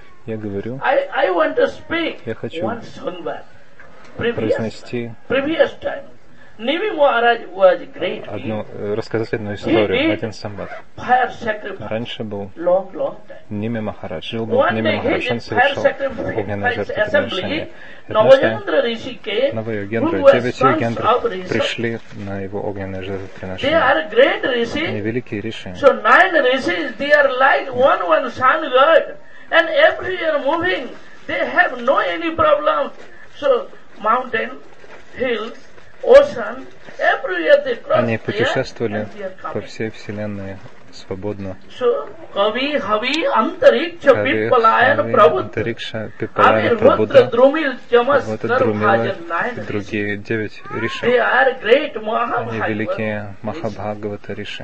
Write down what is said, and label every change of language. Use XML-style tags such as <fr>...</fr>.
<ru>Я говорю, я хочу произнести одну, рассказать одну историю, один самбат. Раньше был Ними Махарадж, жил был Ними Махарадж, он совершил огненное жертвоприношение. Однажды девять Йогендры пришли на его огненное жертвоприношение. Они великие риши.</ru> <en>So nine rishis, they are like one sun god. And every year moving, they have no any problem. So mountain, hills, ocean, every year they cross.</en> <ru>Они путешествовали по всей вселенной свободно.</ru> <en>So Kavi Havi Antariksha Pippalayan Prabhu. Antariksha Pippalayan Prabhu. Drumil Chamas Karvajan Nine Rishi. They are great Mahabhagavata.</en> <ru>Они великие Махабхагавата Риши.</ru>